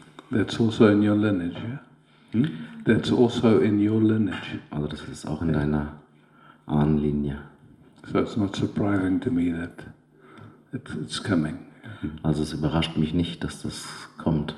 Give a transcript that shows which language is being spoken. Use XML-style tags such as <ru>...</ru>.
<en>That's also in your lineage, yeah? Hmm? That's also in your lineage.</en> <de>Also das ist auch in deiner Ahnenlinie.</de> <en>So it's not surprising to me that it's coming. Yeah.</en> <de>Also es überrascht mich nicht, dass das kommt.</de>